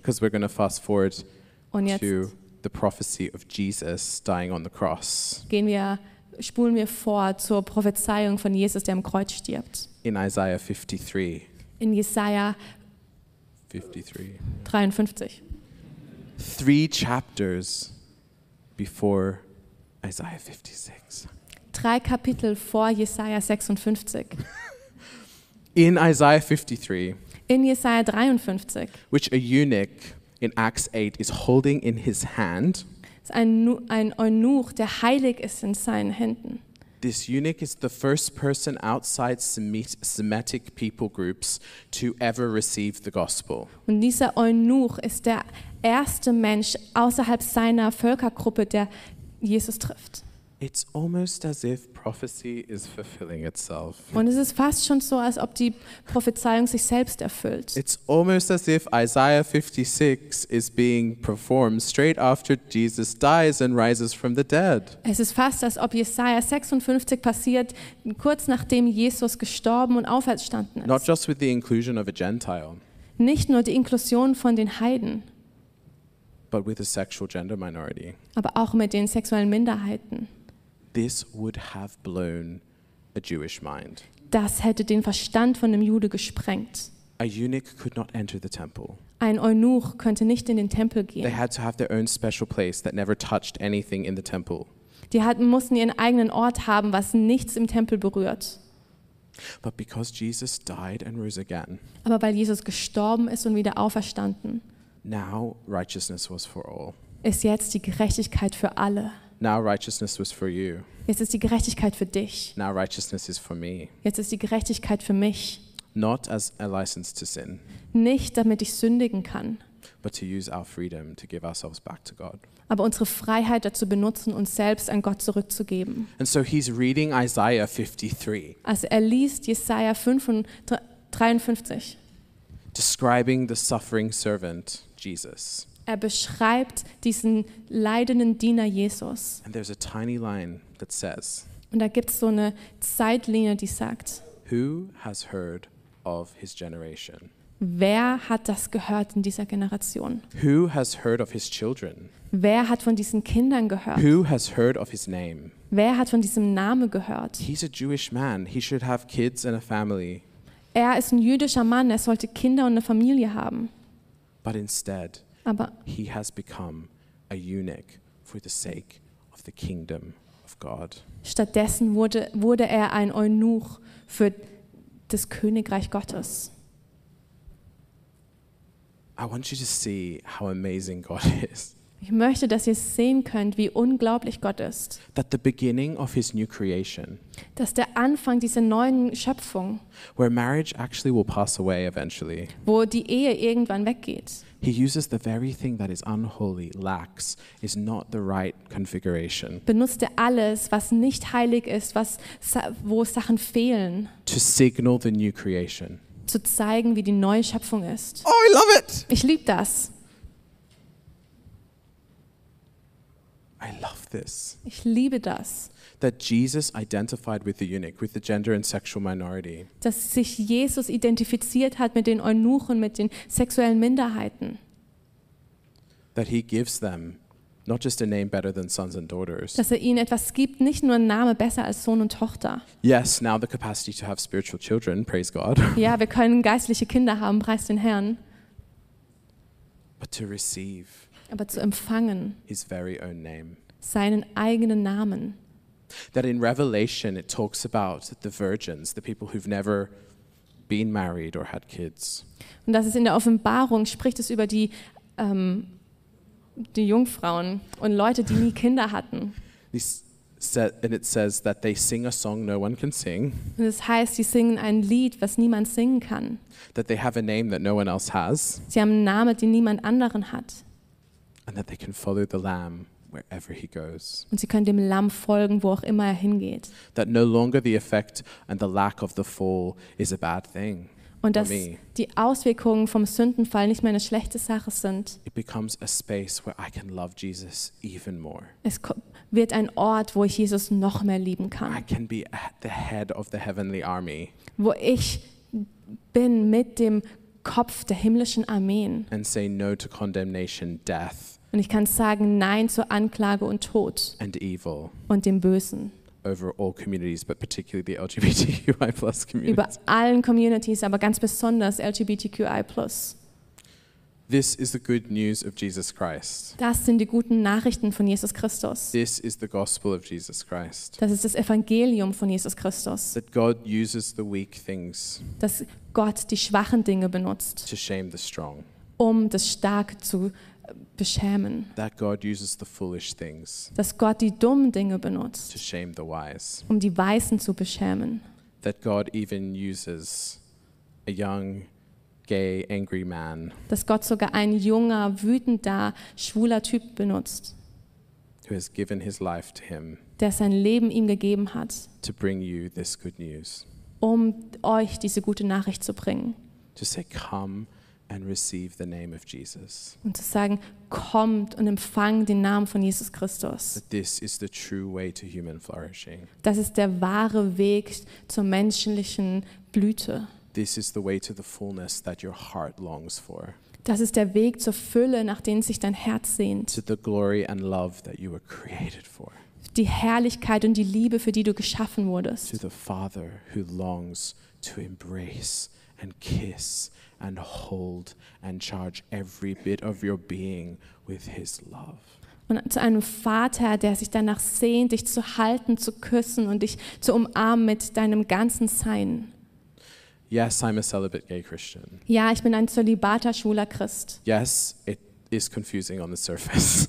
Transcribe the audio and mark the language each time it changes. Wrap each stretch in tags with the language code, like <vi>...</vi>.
<en>Because we're going to fast forward</en> <de>und jetzt</de> <en>to the prophecy of Jesus dying on the cross.</en> <de>Gehen wir spulen wir vor zur Prophezeiung von Jesus, der am Kreuz stirbt.</de> <en>In Isaiah 53.</en> <de>In Jesaja 53.</de> <en>Three chapters before Isaiah 56.</en> <de>Drei Kapitel vor Jesaja 56.</de> <en>In Isaiah 53.</en> <de>In Jesaja 53.</de> <en>Which a eunuch in Acts 8 is holding in his hand.</en> <de>Ein Eunuch, der heilig ist in seinen Händen.</de> <en>This eunuch is the first person outside Semitic people groups to ever receive the gospel.</en> <de>Und dieser Eunuch ist der erste Mensch außerhalb seiner Völkergruppe, der Jesus trifft.</de> <en>It's almost as if prophecy is fulfilling itself.</en> <de>Und es ist fast schon so, als ob die Prophezeiung sich selbst erfüllt.</de> <en>It's almost as if Isaiah 56 is being performed straight after Jesus dies and rises from the dead.</en> <de>Es ist fast, als ob Jesaja 56 passiert, kurz nachdem Jesus gestorben und auferstanden ist.</de> <en>Not just with the inclusion of a Gentile.</en> <de>Nicht nur die Inklusion von den Heiden.</de> <en>But with a sexual gender minority.</en> <de>Aber auch mit den sexuellen Minderheiten.</de> <en>This would have blown a Jewish mind.</en> <de>Das hätte den Verstand von einem Jude gesprengt.</de> <en>A eunuch could not enter the temple.</en> <de>Ein Eunuch könnte nicht in den Tempel gehen.</de> <en>They had to have their own special place that never touched anything in the temple.</en> <de>Die mussten ihren eigenen Ort haben, was nichts im Tempel berührt.</de> <en>But because Jesus died and rose again.</en> <de>Aber weil Jesus gestorben ist und wieder auferstanden.</de> <en>Now righteousness was for all.</en> <de>Ist jetzt die Gerechtigkeit für alle.</de> <en>Now righteousness was for you.</en> <de>Jetzt ist die Gerechtigkeit für dich.</de> <en>Now righteousness is for me.</en> <de>Jetzt ist die Gerechtigkeit für mich.</de> <en>Not as a license to sin.</en> <de>Nicht damit ich sündigen kann.</de> <en>But to use our freedom to give ourselves back to God.</en> <de>Aber unsere Freiheit dazu benutzen, uns selbst an Gott zurückzugeben.</de> <en>And so he's reading Isaiah 53.</en> <de>Also liest Jesaja 53.</de> <en>Describing the suffering servant Jesus.</en> <de>Er beschreibt diesen leidenden Diener Jesus.</de> <en>And there's a tiny line that says.</en> <de>Und da gibt's so eine Zeitlinie, die sagt.</de> <en>Who has heard of his generation?</en> <de>Wer hat das gehört in dieser Generation?</de> <en>Who has heard of his children?</en> <de>Wer hat von diesen Kindern gehört?</de> <en>Who has heard of his name?</en> <de>Wer hat von diesem Namen gehört?</de> <en>He's a Jewish man. He should have kids and a family.</en> <de>Er ist ein jüdischer Mann, er sollte Kinder und eine Familie haben.</de> <en>But instead,</en> <de>aber</de> <en>he has become a eunuch for the sake of the kingdom of God.</en> <de>Stattdessen wurde er ein Eunuch für das Königreich Gottes.</de> <en>I want you to see how amazing God is.</en> <de>Ich möchte, dass ihr sehen könnt, wie unglaublich Gott ist.</de> <en>That the beginning of his new creation.</en> <de>Dass der Anfang dieser neuen Schöpfung.</de> <en>Where marriage actually will pass away eventually.</en> <de>Wo die Ehe irgendwann weggeht.</de> <en>He uses the very thing that is unholy, lax, is not the right configuration.</en> <de>Benutzt er alles, was nicht heilig ist, wo Sachen fehlen.</de> <en>To signal the new creation.</en> <de>Zu zeigen, wie die neue Schöpfung ist.</de> <en>Oh, I love it.</en> <de>Ich liebe das.</de> <en>I love this.</en> <de>Ich liebe das.</de> <en>That Jesus identified with the eunuch, with the gender and sexual minority.</en> <de>Dass sich Jesus identifiziert hat mit den Eunuchen, mit den sexuellen Minderheiten.</de> <en>That he gives them not just a name better than sons and daughters.</en> <de>Dass er ihnen etwas gibt, nicht nur einen Namen besser als Sohn und Tochter.</de> <en>Yes, now the capacity to have spiritual children, praise God.</en> <de>Ja, wir können geistliche Kinder haben, preis den Herrn.</de> <en>But to receive.</en> <de>Aber zu empfangen.</de> <en>His very own name.</en> <de>Seinen eigenen Namen.</de> <en>That in Revelation it talks about the virgins, the people who've never been married or had kids.</en> <de>Und das ist in der Offenbarung, spricht es über die die Jungfrauen und Leute, die nie Kinder hatten.</de> <en>And it says that they sing a song no one can sing.</en> <de>Und es heißt, sie singen ein Lied, was niemand singen kann.</de> <en>That they have a name that no one else has.</en> <de>Sie haben einen Namen, den niemand anderen hat.</de> <en>And that they can follow the Lamb. Wherever he goes.</en> <de>Und sie können dem Lamm folgen, wo auch immer er hingeht.</de> <en>That no longer the effect and the lack of the fall is a bad thing.</en> <de>Und dass die Auswirkungen vom Sündenfall nicht mehr eine schlechte Sache sind.</de> <en>It becomes a space where I can love Jesus even more.</en> <de>Es wird ein Ort, wo ich Jesus noch mehr lieben kann.</de> <en>I can be at the head of the heavenly army.</en> <de>Wo ich bin mit dem Kopf der himmlischen Armeen.</de> <en>And say no to condemnation, death.</en> <de>Und ich kann sagen Nein zur Anklage und Tod</de> <en>and evil.</en> <de>Und dem Bösen.</de> <en>over all communities, but particularly the LGBTQI plus communities.</en> <de>Über allen Communities, aber ganz besonders LGBTQI plus.</de> <en>This is the good news of Jesus Christ.</en> <de>Das sind die guten Nachrichten von Jesus Christus.</de> <en>This is the gospel of Jesus Christ.</en> <de>Das ist das Evangelium von Jesus Christus.</de> <en>That God uses the weak things.</en> <de>Dass Gott die schwachen Dinge benutzt.</de> <en>To shame the strong.</en> <de>Um das Starke zu beschämen.</de> <en>That God uses the foolish things.</en> <de>Dass Gott die dummen Dinge benutzt.</de> <en>To shame the wise.</en> <de>Um die Weisen zu beschämen.</de> <en>That God even uses a young gay angry man.</en> <de>Dass Gott sogar ein junger wütender schwuler Typ benutzt.</de> <en>Who has given his life to him.</en> <de>Der sein Leben ihm gegeben hat.</de> <en>To bring you this good news.</en> <de>Um euch diese gute Nachricht zu bringen.</de> <en>To say come and receive the name of Jesus.</en> <de>Und zu sagen, kommt und empfangt den Namen von Jesus Christus.</de> <en>That this is the true way to human flourishing.</en> <de>Das ist der wahre Weg zur menschlichen Blüte.</de> <en>This is the way to the fullness that your heart longs for.</en> <de>Das ist der Weg zur Fülle, nach denen sich dein Herz sehnt.</de> <en>To the glory and love that you were created for.</en> <de>Die Herrlichkeit und die Liebe, für die du geschaffen wurdest.</de> <en>To the Father who longs to embrace and kiss and hold and charge every bit of your being with his love.</en> <de>Und zu einem Vater, der sich danach sehnt, dich zu halten, zu küssen und dich zu umarmen mit deinem ganzen Sein.</de> <en>Yes, I'm a celibate gay Christian.</en> <de>Ja, ich bin ein zölibater schwuler Christ.</de> <en>Yes, it is confusing on the surface.</en>